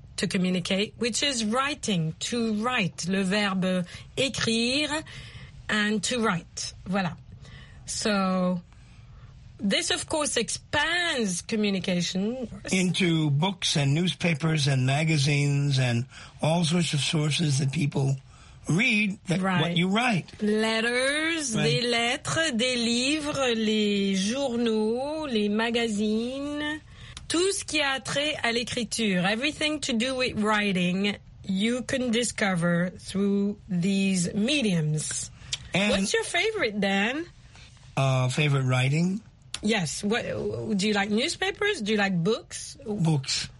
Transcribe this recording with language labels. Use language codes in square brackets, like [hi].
[en] to communicate, which is writing, to write, [fr] le verbe écrire, [en] and to write. Voilà. So this, of course, expands communication into books and newspapers and magazines and all sorts of sources that people read that, right. What you write. Letters, right. [fr] Des lettres, des livres, les journaux, les magazines. Tout ce qui a trait à l'écriture. [en] Everything to do with writing, you can discover through these mediums. And what's your favorite, Dan? Favorite writing? Yes. What, do you like newspapers? Do you like books? Books.